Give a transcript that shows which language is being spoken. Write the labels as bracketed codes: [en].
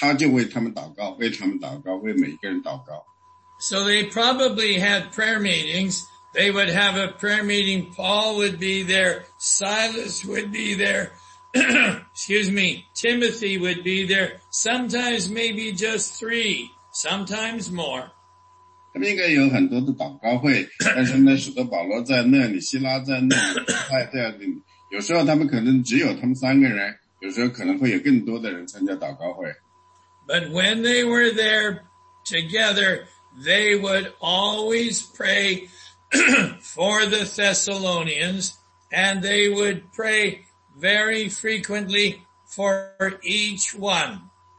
[zh] 因为他在里面已经认识了很多人，然后他就为他们祷告，为他们祷告，为每一个人祷告。 [en] So they probably had prayer meetings. They would have a prayer meeting. Paul would be there. Silas would be there. Excuse me, Timothy would be there, sometimes maybe just three, sometimes more. [zh] 他们应该有很多的祷告会，但是那使徒保罗在那里，希拉在那里，有时候他们可能只有他们三个人，有时候可能会有更多的人参加祷告会。 [en] But when they were there together, they would always pray for the Thessalonians, and they would pray very frequently for each one.